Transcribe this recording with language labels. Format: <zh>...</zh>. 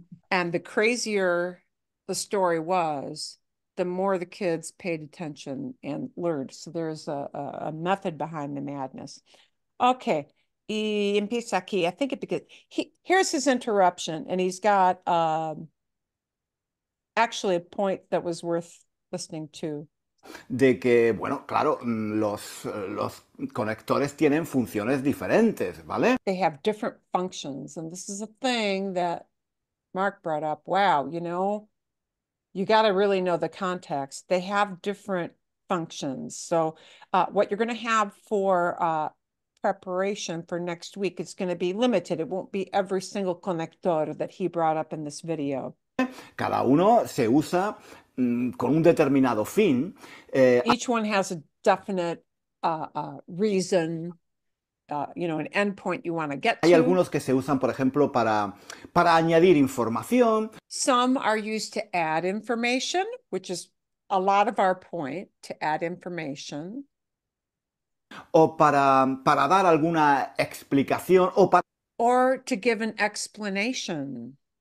<en>And the crazier the story was, the more the kids paid attention and learned. So there's a method behind the madness. Okay.</en> <es>Y empieza aquí.</es> <en>I think it begins. Here's his interruption, and he's got actually a point that was worth listening to.</en> <es>De que, bueno, claro, los conectores tienen funciones diferentes,</es> <en>¿vale? They have different functions, and this is a thing that Mark brought up. Wow, you know, you got to really know the context. They have different functions. So what you're going to have for preparation for next week is going to be limited. It won't be every single conector that he brought up in this video.</en> <es>Cada uno se usa con un determinado fin.</es> <en>Each one has a definite reason, you know, an end point you want to get to.</en> <es>Hay algunos que se usan, por ejemplo, para añadir información.</es> <en>Some are used to add information, which is a lot of our point, to add information.</en> <es>O para dar alguna explicación.</es> <en>Or to give an explanation.</en>